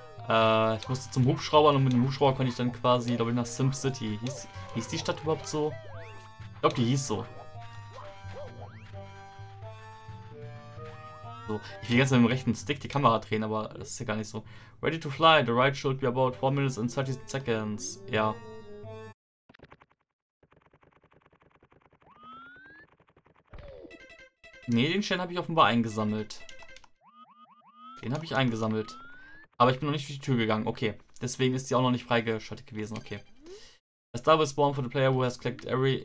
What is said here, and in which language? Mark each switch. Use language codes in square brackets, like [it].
[de] Ja. Ich musste zum Hubschrauber und mit dem Hubschrauber konnte ich dann quasi, glaube ich, nach Sim City. Hieß die Stadt überhaupt so? Ich glaube, die hieß so. So, ich will jetzt mit dem rechten Stick die Kamera drehen, aber das ist ja gar nicht so. [en] Ready to fly, the ride should be about 4 minutes and 30 seconds. [de] Ja. Ne, den Stern habe ich offenbar eingesammelt. Den habe ich eingesammelt. Aber ich bin noch nicht durch die Tür gegangen. Okay. Deswegen ist die auch noch nicht freigeschaltet gewesen. Okay. [en] A star will spawn for the player who has collected every.